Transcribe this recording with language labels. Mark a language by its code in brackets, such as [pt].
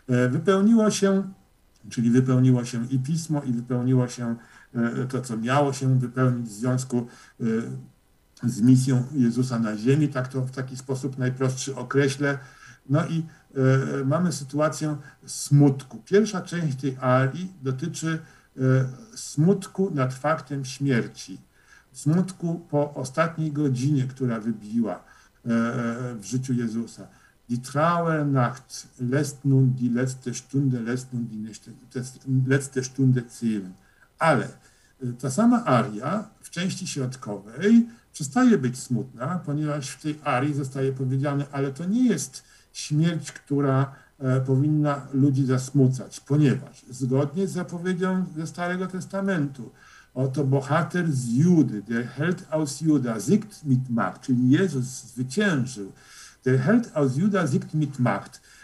[pl] Wypełniło się, czyli wypełniło się i pismo, i wypełniło się to, co miało się wypełnić w związku z misją Jezusa na ziemi, tak to w taki sposób najprostszy określę. No i mamy sytuację smutku. Pierwsza część tej arii dotyczy smutku nad faktem śmierci, smutku po ostatniej godzinie, która wybiła w życiu Jezusa. [de] Die Trauer Nacht lässt nun die letzte Stunde, lässt nun die nächste, letzte Stunde zählen. [pl] Ale ta sama aria w części środkowej przestaje być smutna, ponieważ w tej arii zostaje powiedziane, ale to nie jest śmierć, która powinna ludzi zasmucać, ponieważ zgodnie z zapowiedzią ze Starego Testamentu, oto bohater z Judy, [de] der Held aus Juda, siegt mit Macht, [pl] czyli Jezus zwyciężył. [de] Der Held aus Juda siegt mit Macht.